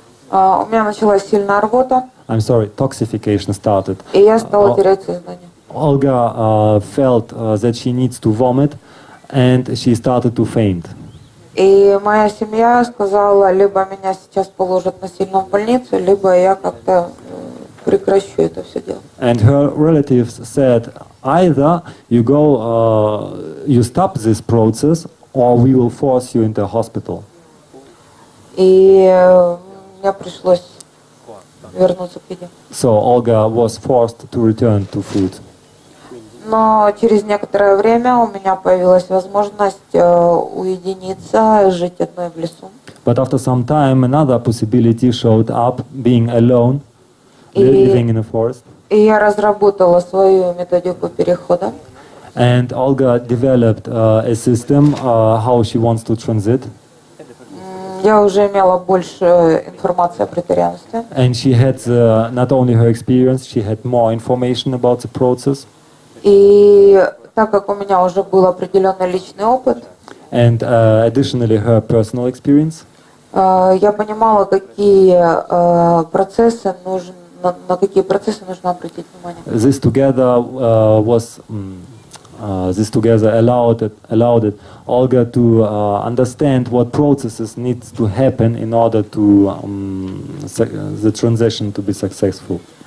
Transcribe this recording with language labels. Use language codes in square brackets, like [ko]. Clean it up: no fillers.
[ru] У меня началась сильная рвота. [en] I'm sorry, toxification started. [ru] И я стала терять сознание. [en] Olga felt that she needs to vomit, and she started to faint. [ru] И моя семья сказала, либо меня сейчас положат насильно в больницу, либо я как-то прекращу это все дело. [en] And her relatives said, either you go, you stop this process, or we will force you into a hospital. [ru] И мне пришлось вернуться к еде. [en] So Olga was forced to return to food. [ru] Но через некоторое время у меня появилась возможность уединиться, жить одной в лесу. [en] But after some time, another possibility showed up, being alone, living in a forest. [ru] И я разработала свою методику перехода. [en] And Olga developed a system how she wants to transit. [ru] Я уже имела больше информации о бретарианстве. [en] And she had not only her experience, she had more information about the process. [ru] И так как у меня уже был определенный личный опыт, [en] and additionally her personal experience, [ru] я понимала, какие процессы нужно, на какие процессы нужно обратить внимание. [en] This together was this together allowed it Olga to understand what processes needs to happen in order to the transition to be successful.